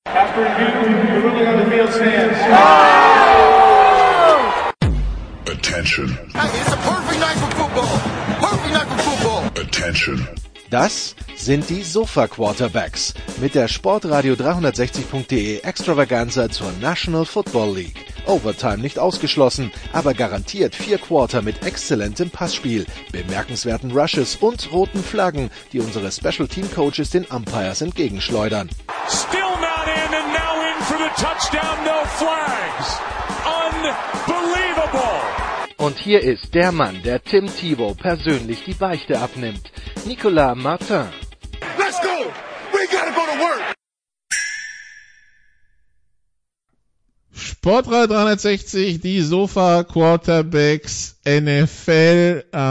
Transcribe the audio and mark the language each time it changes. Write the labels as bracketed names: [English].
[English] After you do the ruling on the field stands. Attention. Hey, it's a perfect night for football. Perfect night for football. Attention. [German] Das sind die Sofa-Quarterbacks mit der Sportradio360.de Extravaganza zur National Football League. Overtime nicht ausgeschlossen, aber garantiert vier Quarter mit exzellentem Passspiel, bemerkenswerten Rushes und roten Flaggen, die unsere Special Team Coaches den Umpires entgegenschleudern. [English] Still not in and now in for the touchdown, no flags. Unbelievable. [German] Und hier ist der Mann, der Tim Tebow persönlich die Beichte abnimmt. Nicolas Martin. [English] Let's go! We gotta go to work! [German] Sportradio 360, die Sofa Quarterbacks NFL.